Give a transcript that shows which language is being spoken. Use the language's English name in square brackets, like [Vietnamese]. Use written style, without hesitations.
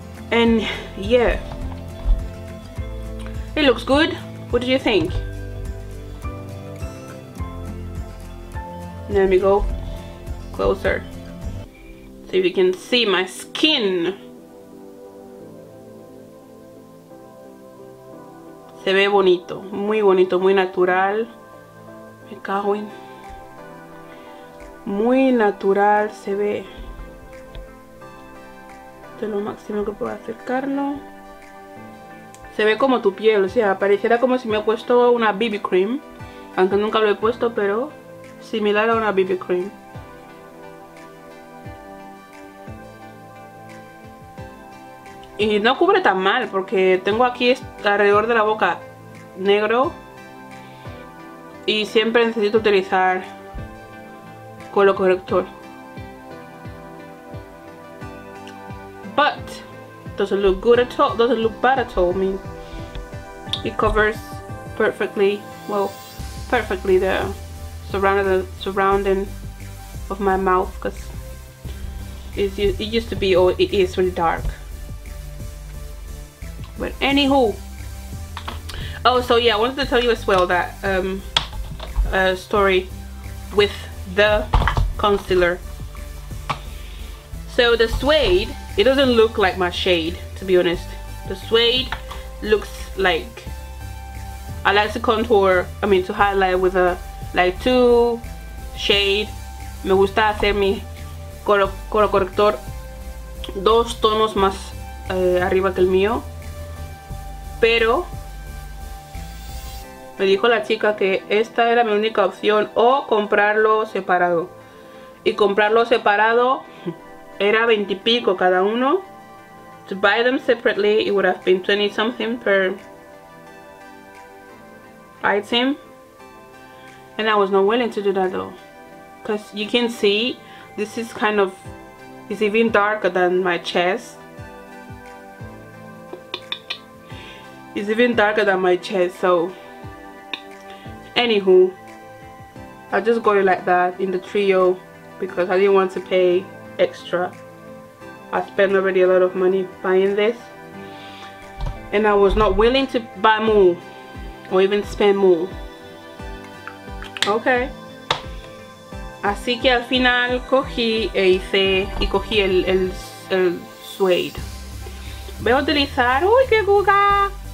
[English] And yeah, it looks good. What do you think? Let me go closer so you can see my skin. [Spanish] Se ve bonito, muy bonito, muy natural. Me cago en. Muy natural se ve. De lo máximo que puedo acercarlo. Se ve como tu piel, o sea, pareciera como si me he puesto una BB cream. Aunque nunca lo he puesto, pero similar a una BB cream. Y no cubre tan mal, porque tengo aquí alrededor de la boca negro. Y siempre necesito utilizar color corrector. [English] But doesn't look good at all. Doesn't look bad at all. I mean, it covers perfectly. Well, perfectly the surrounding of my mouth, because it used to be, or it is, really dark. But anywho. Oh, so yeah, I wanted to tell you as well that a story with the concealer. So the suede, it doesn't look like my shade, to be honest. The suede looks like I like to contour, I mean to highlight with a light 2 shade. [Spanish] Me gusta hacer mi color corrector dos tonos más arriba que el mío. Pero me dijo la chica que esta era mi única opción, o comprarlo separado. Y comprarlo separado era 20 y pico cada uno. [English] To buy them separately, it would have been 20 something per item. And I was not willing to do that though. Because you can see, this is kind of, it's even darker than my chest. It's even darker than my chest, so. Anywho, I just got it like that in the trio, because I didn't want to pay extra. I spent already a lot of money buying this. and I was not willing to buy more or even spend more. Okay. [Spanish] Así que al final cogí e hice y cogí el suede. Voy a utilizar, uy, qué guga.